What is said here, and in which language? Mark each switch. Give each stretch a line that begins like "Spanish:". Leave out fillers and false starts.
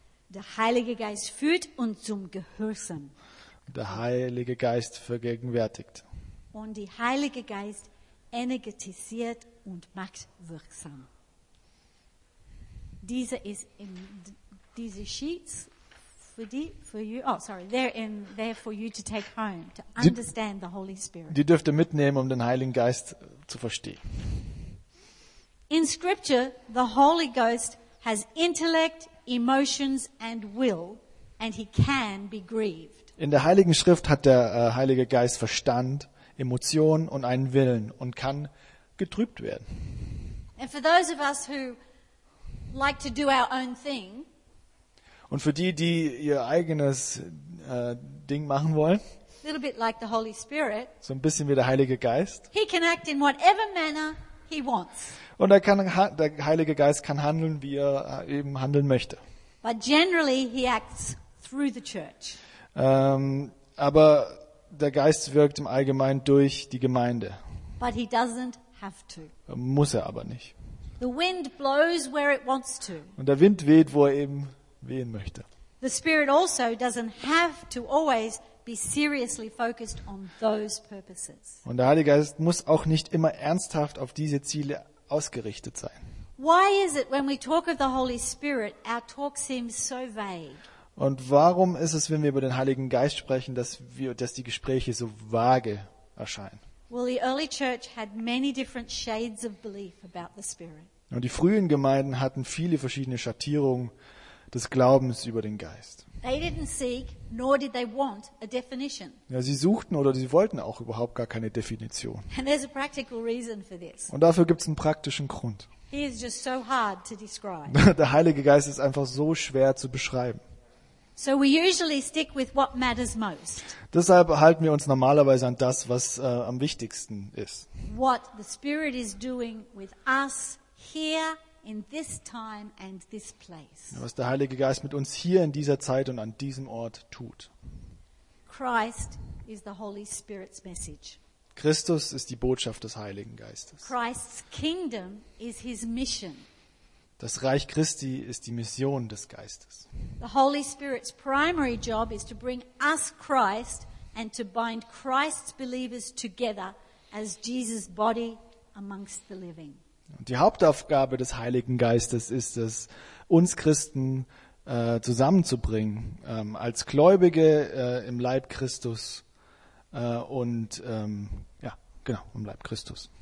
German: Der Heilige Geist führt uns zum Gehorsam. Der Heilige Geist vergegenwärtigt. Und der Heilige Geist energetisiert und macht wirksam. Diese ist in diese Sheets für die
English: for you. Oh, sorry, they're in there for you to take home to understand the Holy Spirit.
German: Die dürft ihr mitnehmen, um den Heiligen Geist zu verstehen.
English: In Scripture, the Holy Ghost has intellect, emotions and will, and he can be grieved.
German: In der Heiligen Schrift hat der Heilige Geist Verstand, Emotionen und einen Willen und kann getrübt werden.
English: And for those of us who like to do our own thing,
German: und für die, die ihr eigenes Ding machen wollen,
English: a little bit like the Holy Spirit,
German: so ein bisschen wie der Heilige Geist,
English: he can act in whatever manner he wants.
German: Und der Heilige Geist kann handeln, wie er eben handeln möchte.
English: But generally he acts through the church.
German: Aber der Geist wirkt im Allgemeinen durch die Gemeinde.
English: But he doesn't have to.
German: Muss er aber nicht.
English: The wind blows where it wants to.
German: Und der Wind weht, wo er eben wehen möchte.
English: The Spirit also doesn't have to always be seriously focused on those purposes.
German: Und der Heilige Geist muss auch nicht immer ernsthaft auf diese Ziele ausgerichtet sein.
English: Why is it when we talk of the Holy Spirit, our talk seems so vague?
German: Und warum ist es, wenn wir über den Heiligen Geist sprechen, dass die Gespräche so vage erscheinen?
English: Well, the early church had many different shades of belief about the Spirit.
German: Und die frühen Gemeinden hatten viele verschiedene Schattierungen des Glaubens über den Geist.
English: They didn't seek, nor did they want a definition.
German: Ja, sie suchten oder sie wollten auch überhaupt gar keine Definition.
English: And there's a practical reason for this.
German: Und dafür gibt's einen praktischen Grund.
English: He is just so hard to describe.
German: Der Heilige Geist ist einfach so schwer zu beschreiben.
English: So we usually stick with what matters most.
German: Deshalb halten wir uns normalerweise an das, was am wichtigsten ist.
English: What the Spirit is doing with us here in this time and this place.
German: Was der Heilige Geist mit uns hier in dieser Zeit und an diesem Ort tut.
English: Christ is the Holy Spirit's message.
German: Christus ist die Botschaft des Heiligen Geistes.
English: Christ's kingdom is his mission.
German: Das Reich Christi ist die Mission des Geistes.
English: The Holy Spirit's primary job is to bring us Christ and to bind Christ's believers together as Jesus' body amongst the living.
German: Und die Hauptaufgabe des Heiligen Geistes ist es, uns Christen zusammenzubringen, als Gläubige im Leib Christus im Leib Christus.